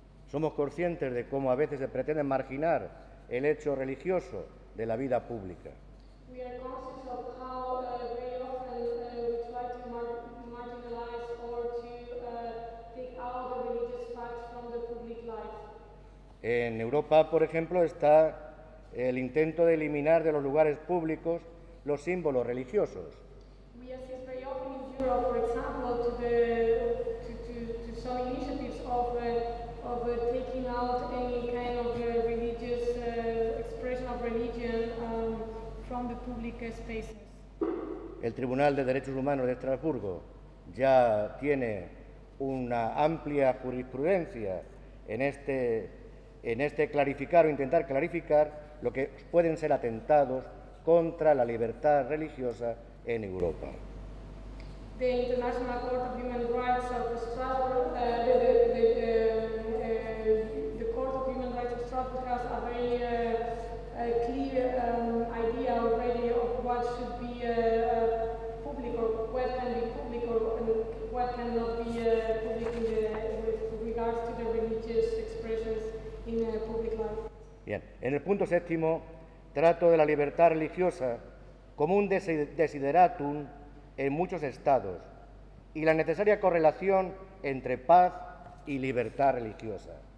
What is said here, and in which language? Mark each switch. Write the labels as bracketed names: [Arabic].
[Spanish] Somos conscientes de cómo a veces se pretende marginar el hecho religioso de la vida pública. [English] We are conscious of how very often we try to marginalize or to take out the religious facts from the public life. [Spanish] En Europa, por ejemplo, está el intento de eliminar de los lugares públicos los símbolos religiosos. [English] We assist very often in Europe, for example, to some initiatives of taking out any kind of religious expression of religion from the public spaces. [Spanish] El Tribunal de Derechos Humanos de Estrasburgo ya tiene una amplia jurisprudencia en este clarificar o intentar clarificar lo que pueden ser atentados contra la libertad religiosa en Europa. [English] The International Court of Human Rights of Strasbourg, the Court of Human Rights of Strasbourg has a very clear idea already of what should be public or what can be public or what cannot be public with regards to the religious expressions in public life. [Spanish] Bien, en el punto séptimo trato de la libertad religiosa como un desideratum en muchos estados y la necesaria correlación entre paz y libertad religiosa.